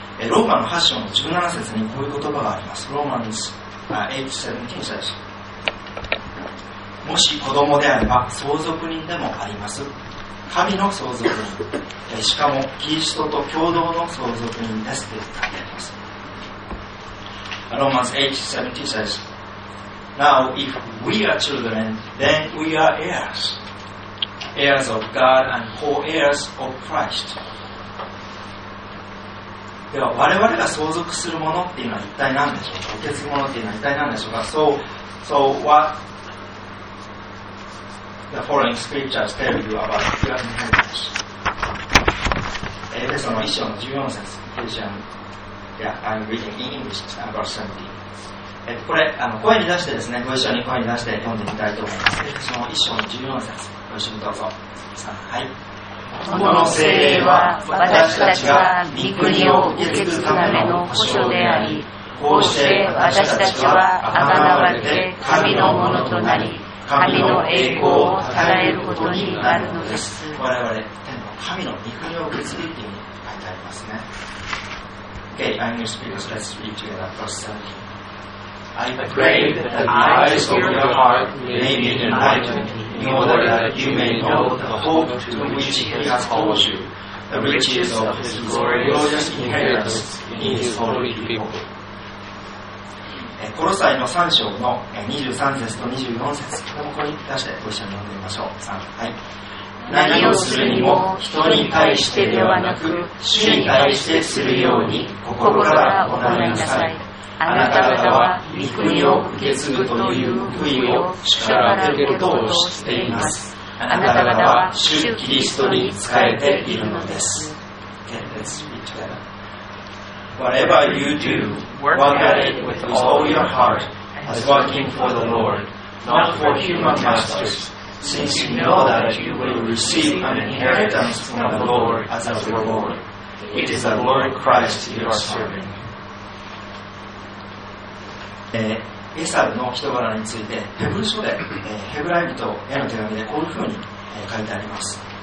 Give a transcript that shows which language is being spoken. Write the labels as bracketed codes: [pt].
[ja] ローマの8章の17節にこういう言葉があります。ローマの [en] 8:17 says, [ja] もし子供であれば相続人でもあります。神の相続人、しかもキリストと共同の相続人ですと書いてあります。 [en] Romans 8:17 says, Now if we are children, then we are heirs, heirs of God and co-heirs of Christ. [ja] では我々が相続するものっていうのは一体何でしょうか。受け継ぐものっていうのは一体何でしょうか。 [en] So whatThe following scriptures tell you about your inheritance. [ja] エペソの1章の14節、これ、声に出してですね、ご一緒に声に出して読んでみたいと思います。エペソの1章の14節、ご一緒にどうぞ。はい。この聖霊は私たちが御国を受け継ぐための保証であり、こうして私たちはあがなわれて神のものとなり、神の栄光を称えることになるのです。我々天の神の御国を受け継ぐというふうに書いてありますね。 [en] Okay, I'm going to speak, so let's read together verse 17. I pray that the eyes of your heart may be enlightened, in order that you may know the hope to which he has called you, the riches of his glorious inheritance in his holy people. [ja] コロサイの3章の23節と24節、ここに出してご一緒に読んでみましょう。はい、何をするにも人に対してではなく主に対してするように心から行いなさい。あなた方は御国を受け継ぐという福音を主から受けることを知っています。あなた方は主キリストに仕えているのです。 [en] Okay, let's read together. Whatever you do, work at it with all your heart, as working for the Lord, not for human masters, since you know that you will receive an inheritance from the Lord as a reward. It is the Lord Christ you are serving. [ja] エサウの人柄についてヘブル書で、ヘブライ人への手紙でこういうふうに、書いてあります。